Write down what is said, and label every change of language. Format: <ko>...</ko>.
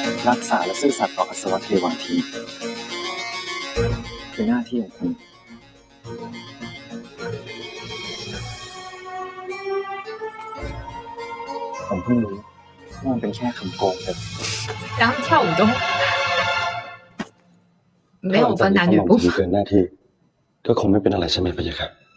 <th>รักษาและซื่อสัตย์ต่ออัศวะเทวันทีเป็นหน้าที่ของคุณผมเพิ่งรู้ว่ามันเป็นแค่คำโกงแต่</th> <zh>การ跳舞都没有分男女不分</zh> <th>หน้าที่ก็คงไม่เป็นอะไรใช่ไหมพี่ยะครับ</th>